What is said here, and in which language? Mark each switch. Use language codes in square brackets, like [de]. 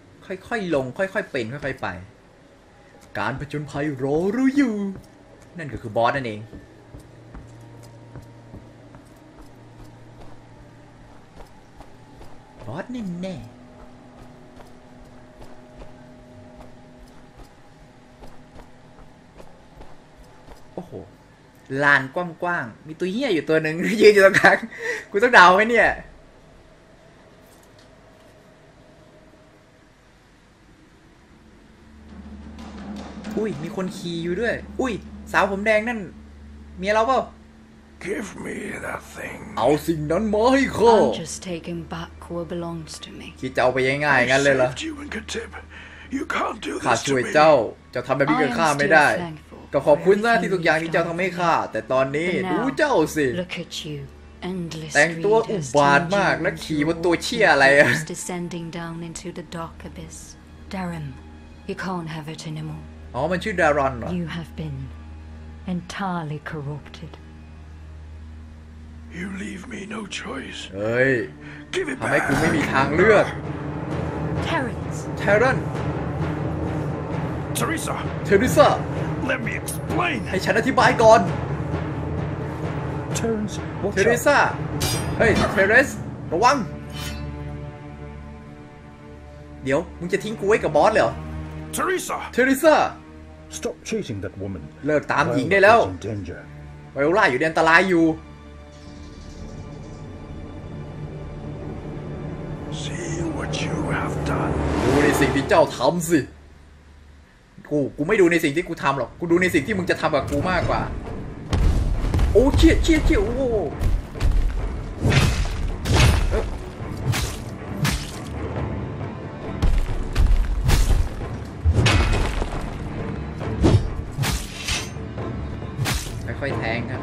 [th] ค่อยๆลงค่อยๆเป็นค่อยๆไปการผจญภัยรอรู้อยู่นั่นก็คือบอสนั่นเองบอสแน่โอ้โหลานกว้างๆมีตัวเหี้ยอยู่ตัวหนึ่งยืนอยู่ตรงกลางกูต้องดาวไหมเนี่ย อุ้ยมีคนขี่อยู่ด้วยอุ้ยสาวผมแดงนั่นเมียเราเปล่า [en] Give me that thing [th] เอาสิ่งนั้นมาให้ข้า [en] I'm just taking back what belongs to me [th] คิดจะเอาไปง่ายๆงั้นเลยเหรอ [en] I saved you and got tip You can't do this to me [th] ข้าช่วยเจ้าเจ้าทำแบบนี้กับข้าไม่ได้ก็ขอบคุณมากที่ทุกอย่างที่เจ้าทำให้ข้าแต่ตอนนี้ดูเจ้าสิ [en] Look at you [th] แต่งตัวอุบาทมากและขี่บนตัวเชี่ยอะไร [en] Descending down into the dark abyss Darren You can't have it anymore [th] อ๋อมันชื่อดารอนเหรอ [en] You have been entirely corrupted. You leave me no choice. เอ้ย Give it back. [th] ทำให้กูไม่มีทางเลือก [en] Terence. Teresa. Teresa. Let me explain. ให้ฉันอธิบายก่อน Terence. Teresa. [th] เฮ้ย Terence. ระวังเดี๋ยวมึงจะทิ้งกูไว้กับบอสเหรอ [en] Teresa, stop chasing that woman. [th] เลิกตามหญิงได้แล้ว Danger. ไวโอล่าอยู่ในอันตรายอยู่ [en] See what you have done. [th] ดูในสิ่งที่เจ้าทำสิกูไม่ดูในสิ่งที่กูทำหรอกกูดูในสิ่งที่มึงจะทำกับกูมากกว่าโอ้เชี่ยโอ้ค่อยแทง